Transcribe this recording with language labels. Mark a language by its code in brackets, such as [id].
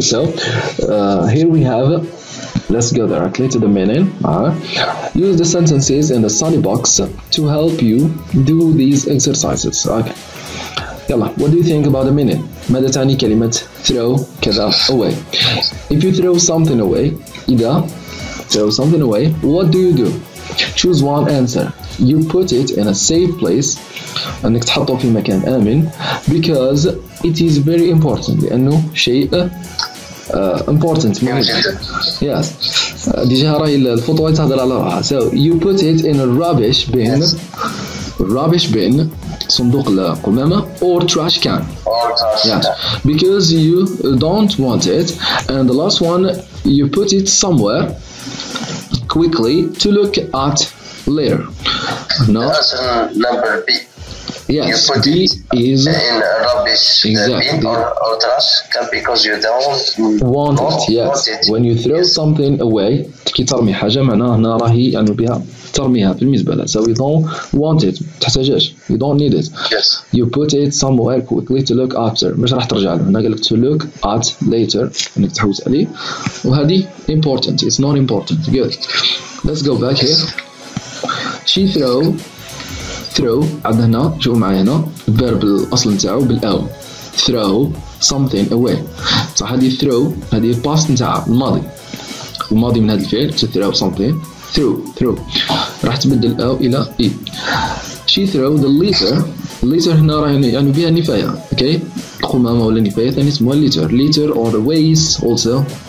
[en] So here we have, let's go directly to the meaning. Use the sentences in the study box to help you do these exercises. Okay. Yalla, what do you think about the meaning? [ar] ماذا تعني كلمة throw كذا away? [en] If you throw something away, إذا throw something away, what do you do? choose one answer. You put it in a safe place, [ar] أنك تحطه في مكان آمن, [en] because it is very important. [ar] لأنه شيء important. [en] Yes. [ar] ديجا راهي الفوطو تهضر على روحها. [en] So you put it in a rubbish bin. Rubbish bin, [ar] صندوق القمامة, [en] or trash can. Yes. Because you don't want it. And the last one, you put it somewhere quickly to look at later. No. Number B. Yes. You put B it is in a rubbish exactly. bin or trash can because you don't want it. Yes. Want it. When you throw yes. [ar] something away, كي ترمي حاجة معناها هنا راهي يعني بها ترميها في المزبلة. [en] So you don't want it. [ar] تحتاجش. [en] You don't need it. Yes. You put it somewhere quickly to look after. [ar] مش راح ترجع له. أنا قلت [en] to look at later. [ar] إنك تحوز عليه. وهذه important. [en] It's not important. Good. Let's go back yes. here. She throw. [ar] Throw عندنا هنا شوفوا معايا هنا الفيرب الاصل نتاعو بالاو [en] throw something away [ar] صح هذه throw هذه الباست نتاع الماضي الماضي من هذا الفعل to throw something throw راح تبدل الاو الى اي [en] she throw the litter litter [ar] هنا راه يعني بها نفايه اوكي القمامة ولا نفايه ثاني اسمها [en] litter litter or waste also